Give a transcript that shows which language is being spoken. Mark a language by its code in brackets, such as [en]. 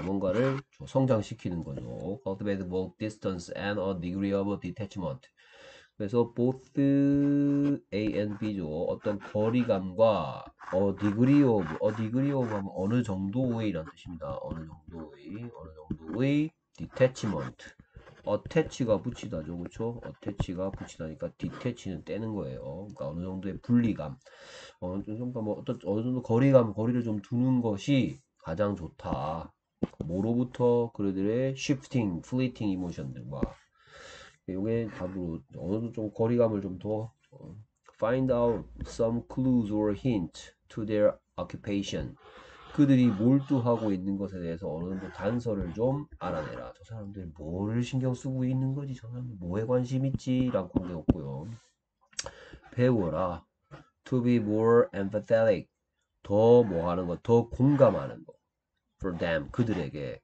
[ko] 뭔가를 성장시키는 거죠. [en] cultivate both distance and a degree of detachment. [ko] 그래서 [en] both A and B [ko] 죠. 어떤 거리감과 [en] a degree of [ko] 하면 어느 정도의 이런 뜻입니다. 어느 정도의 detachment. attach가 붙이다죠, 그렇죠? attach가 붙이다니까 detach는 떼는 거예요. 그러니까 어느 정도의 분리감, 어느 정도 거리감, 거리를 좀 두는 것이 가장 좋다. 뭐로부터? 그들의 [en] shifting, fleeting emotion [ko] 들과 이게 답으로 어느 정도 거리감을 좀 더. [en] find out some clues or hint to their occupation. [ko] 그들이 몰두하고 있는 것에 대해서 어느 정도 단서를 좀 알아내라. 저 사람들이 뭐를 신경 쓰고 있는 거지? 저 사람들이 뭐에 관심 있지? 라고 공개 없고요. 배워라. [en] To be more empathetic. [ko] 더뭐 하는 거? 더 공감하는 거. [en] For them. [ko] 그들에게.